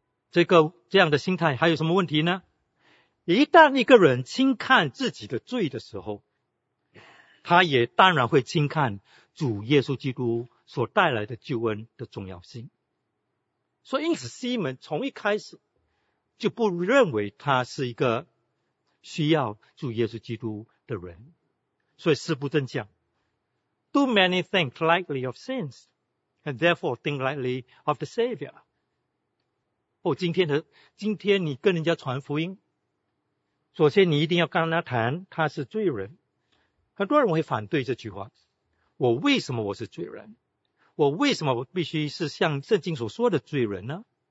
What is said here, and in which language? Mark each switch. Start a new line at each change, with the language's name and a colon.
Chinese: 这样的心态还有什么问题呢？一旦一个人轻看自己的罪的时候，他也当然会轻看主耶稣基督所带来的救恩的重要性。所以因此西门从一开始就不认为他是一个需要主耶稣基督的人。所以四不正讲，
English: Do many think lightly of sins and therefore think lightly of the Savior。
Chinese: 哦，今天你跟人家传福音，首先你一定要跟他谈他是罪人。很多人会反对这句话，我为什么我是罪人？我为什么我必须是像圣经所说的罪人呢？